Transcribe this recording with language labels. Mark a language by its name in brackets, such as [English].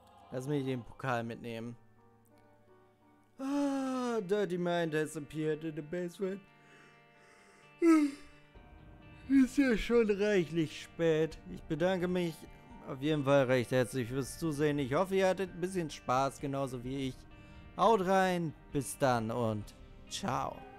[German] Lass mich den Pokal mitnehmen. [English] Dirty Mind has appeared in the basement. [German] Ist ja schon reichlich spät. Ich bedanke mich auf jeden Fall recht herzlich fürs Zusehen. Ich hoffe, ihr hattet ein bisschen Spaß, genauso wie ich. Haut rein, bis dann und ciao.